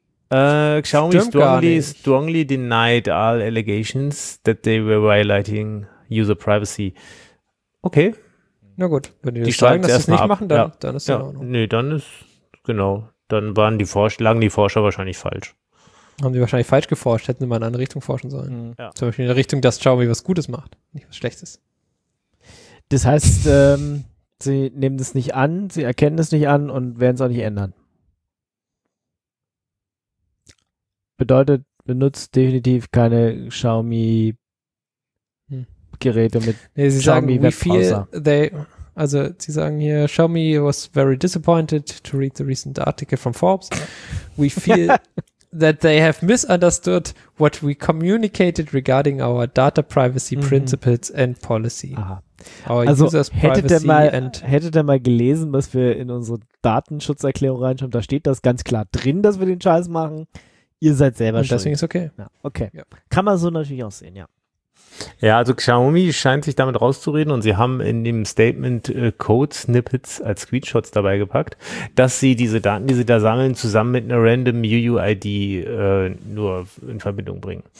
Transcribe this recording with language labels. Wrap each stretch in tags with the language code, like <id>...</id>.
<en>Xiaomi strongly denied all allegations that they were violating user privacy. Okay.</en> <de>Na gut, wenn die das sagen, dass sie es nicht machen, dann ist ja auch noch. Nee, dann ist, genau, dann waren die Forscher, lagen die Forscher wahrscheinlich falsch. Haben sie wahrscheinlich falsch geforscht, hätten sie mal in eine andere Richtung forschen sollen. Mhm. Ja. Zum Beispiel in der Richtung, dass Xiaomi was Gutes macht, nicht was Schlechtes. Das heißt, sie nehmen das nicht an, sie erkennen es nicht an und werden es auch nicht ändern. Bedeutet, benutzt definitiv keine Xiaomi-Geräte mit Xiaomi-Webbrowser. Also sie sagen hier,</de> <en>Xiaomi was very disappointed to read the recent article from Forbes. We feel that they have misunderstood what we communicated regarding our data privacy principles and policy. Aha.</en> <de>Also hättet ihr mal gelesen, was wir in unsere Datenschutzerklärung reinschreiben, da steht das ganz klar drin, dass wir den Scheiß machen. Ihr seid selber schuld. Deswegen ist okay. Ja, okay. Ja. Kann man so natürlich auch sehen, ja. Ja, also Xiaomi scheint sich damit rauszureden und sie haben in dem Statement Code-Snippets als Screenshots dabei gepackt, dass sie diese Daten, die sie da sammeln, zusammen mit einer random UUID nur in Verbindung bringen.</de>